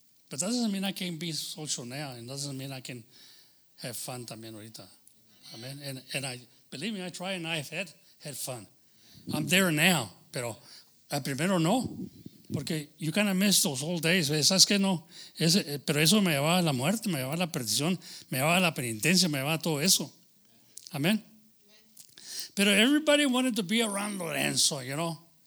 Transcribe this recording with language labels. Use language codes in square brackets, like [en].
[en] But that doesn't mean I can't be social now. And that doesn't mean I can have fun [es] también ahorita. [en] Amen. And I believe me, I try and I've had fun. I'm there now. [es] Pero al primero no. Porque [en] you kind of miss those old days. [es] ¿Sabes qué? No. Pero eso me llevaba a la muerte, me llevaba a la perdición, me llevaba a la penitencia, me llevaba a todo eso. Amen. [en] Pero everybody wanted to be around Lorenzo, you know.